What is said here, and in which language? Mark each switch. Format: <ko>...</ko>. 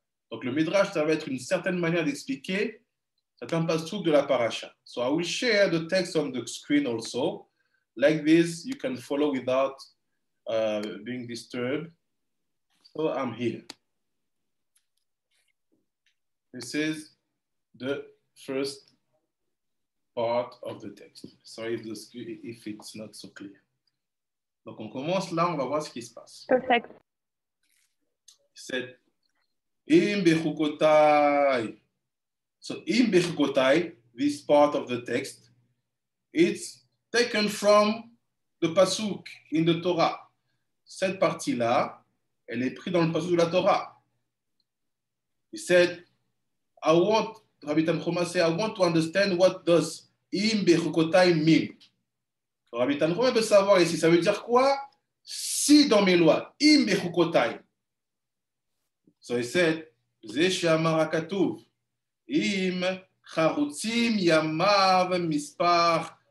<fr>Donc le Midrash, ça va être une certaine manière d'expliquer certains pasuk de la parasha.</fr> <en>So I will share the text on the screen also. Like this, you can follow without being disturbed. So I'm here. This is the first part of the text. Sorry if it's not so clear.</en> <fr>Donc on commence là, on va voir ce qui se passe.</fr> <en>Perfect.</en> <fr>C'est Imbechukotai.</fr> <en>So Imbechukotai, this part of the text, it's taken from the pasuk in the Torah.</en> <fr>Cette partie-là, elle est prise dans le pasuk de la Torah.</fr> <en>Il said, I want, Rabbi Tanhuma say, I want to understand what does Imbechukotai mean.</en> <fr>Rabbi Tanhuma veut savoir ici, ça veut dire quoi? Si dans mes lois,</fr> <he>Imbechukotai.</he> <en>So he said,</en> <he>Zeshamarakatuv, Im Charutim Yamav Mispar.</he>